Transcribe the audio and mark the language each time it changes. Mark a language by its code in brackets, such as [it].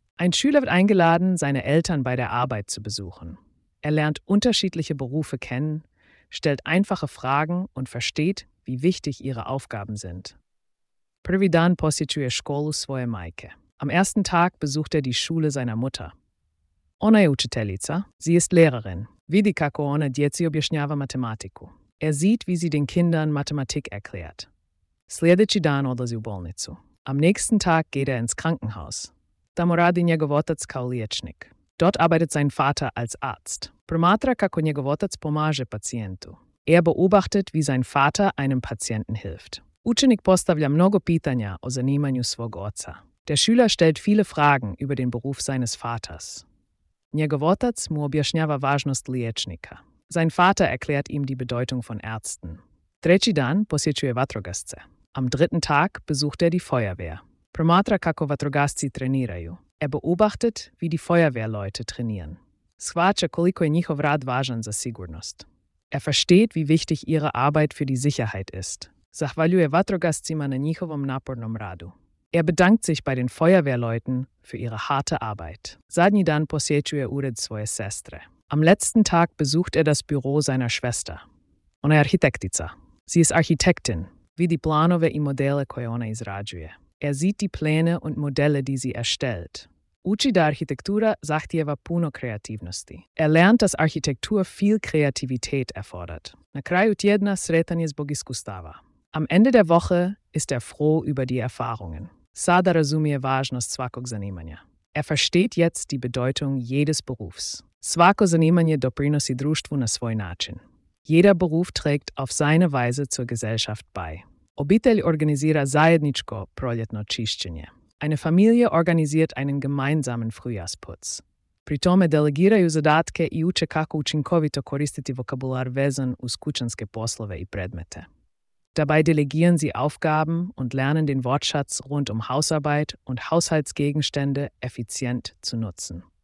[de] Ein Schüler wird eingeladen, seine Eltern bei der Arbeit zu besuchen. Er lernt unterschiedliche Berufe kennen, stellt einfache Fragen und versteht, wie wichtig ihre Aufgaben sind. [hr] Prvi dan posjećuje školu svoje majke. [de] Am ersten Tag besucht er die Schule seiner Mutter. [hr] Ona je učiteljica. [de] Sie ist Lehrerin. [hr] Vidi kako ona djeci objašnjava matematiku. [de] Er sieht, wie sie den Kindern Mathematik erklärt. [hr] Sljedeći dan odlazi u bolnicu. [de] Am nächsten Tag geht er ins Krankenhaus. [hr] Tamo radi njegov otac kao liječnik. [de] Dort arbeitet sein Vater als Arzt. [hr] Promatra kako njegov otac pomaže pacijentu. [de] Er beobachtet, wie sein Vater einem Patienten hilft. [hr] Učenik postavlja mnogo pitanja o zanimanju svog oca. [de] Der Schüler stellt viele Fragen über den Beruf seines Vaters. [hr] Njegov otac mu objašnjava važnost liječnika. [de] Sein Vater erklärt ihm die Bedeutung von Ärzten. [hr] Treći dan posjećuje vatrogasce. [de] Am dritten Tag besucht er die Feuerwehr. [hr] Promatra kako vatrogasci treniraju. [de] Er beobachtet, wie die Feuerwehrleute trainieren. [hr] Shvaća koliko je njihov rad važan za sigurnost. [de] Er versteht, wie wichtig ihre Arbeit für die Sicherheit ist. [hr] Zahvaljuje vatrogascima na njihovom napornom radu. [de] Er bedankt sich bei den Feuerwehrleuten für ihre harte Arbeit. [hr] Zadnji dan posjećuje ured svoje sestre. [de] Am letzten Tag besucht er das Büro seiner Schwester. [hr] Ona je arhitektica. [de] Sie ist Architektin. [hr] Vidi planove i modele koje ona izrađuje. [de] Er sieht die Pläne und Modelle, die sie erstellt. [hr] Uči da arhitektura zahtijeva puno kreativnosti. [de] Er lernt, dass Architektur viel Kreativität erfordert. [hr] Na kraju tjedna sretan je zbog iskustava. [de] Am Ende der Woche ist er froh über die Erfahrungen. [hr] Sada razumije važnost svakog zanimanja. [de] Er versteht jetzt die Bedeutung jedes Berufs. [hr] Svako zanimanje doprinosi društvu na svoj način. [de] Jeder Beruf trägt auf seine Weise zur Gesellschaft bei. [hr] Obitelj organizira zajedničko proljetno čišćenje. [de] Eine Familie organisiert einen gemeinsamen Frühjahrsputz. [hr] Pri tome delegiraju zadatke i uče kako učinkovito koristiti vokabular vezan uz kućanske poslove i predmete. [de] Dabei delegieren sie Aufgaben und lernen den Wortschatz rund um Hausarbeit und Haushaltsgegenstände effizient zu nutzen.